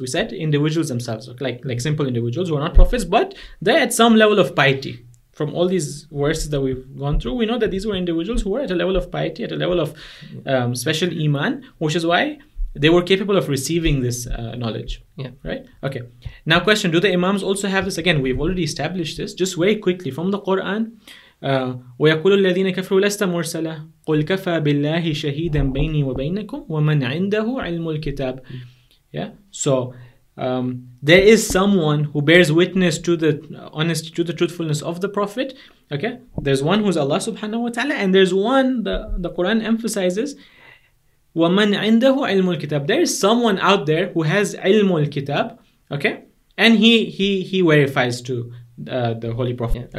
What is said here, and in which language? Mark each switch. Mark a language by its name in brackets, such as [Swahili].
[English] We said individuals themselves, like simple individuals who are not prophets, but they're at some level of piety. From all these verses that we've gone through, we know that these were individuals who were at a level of piety, at a level of special iman, which is why they were capable of receiving this knowledge. Yeah. Right? Okay. Now, question, do the imams also have this? Again, we've already established this. Just very quickly, from the Quran, [Arabic] وَيَقُولُ الَّذِينَ كَفْرُوا لَسْتَ مُرْسَلًا قُلْ كَفَى بِاللَّهِ شَهِيدًا بَيْنِي وَبَيْنَكُمْ وَمَنْ عِنْدَهُ عِلْمُ الْكِتَابِ. [English] Yeah? So... there is someone who bears witness to the honest, to the truthfulness of the Prophet. Okay, there's one who's Allah subhanahu wa ta'ala, and there's one the Quran emphasizes, [Arabic] وَمَنْ عِنْدَهُ عِلْمُ الْكِتَابِ. [English] There is someone out there who has عِلْمُ الْكِتَابِ. Okay, and he verifies to the Holy Prophet. Yeah.